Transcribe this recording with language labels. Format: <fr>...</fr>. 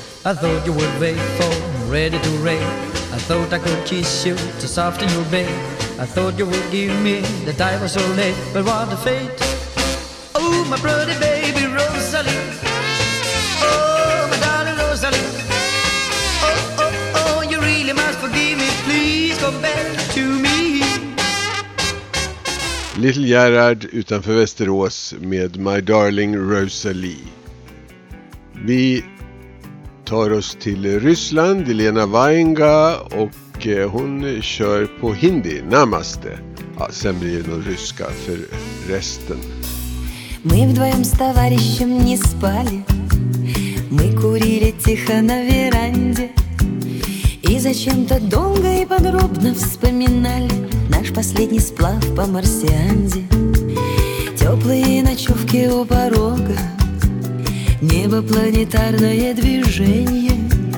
<en>I thought you were faithful, ready to rain. I thought I could kiss you to soften your bed. I thought you would give me that I was so late. But what a fate. Oh, my pretty baby Rosalie. Oh, my darling Rosalie. Oh, oh, oh, you really must forgive me. Please come back to me.</en> <sv>Little Gerard utanför Västerås med My Darling Rosalie. Vi tar oss till Ryssland, Elena Vainga, och hon kör på hindi, namaste. Ja, sen blir det nog ryska för resten.</sv> <ru>Мы вдвоем с товарищем не спали. Мы курили тихо на веранде. И зачем-то долго и подробно вспоминали наш последний сплав по марсианде. Теплые ночевки у порога, небо планетарное движение.</ru>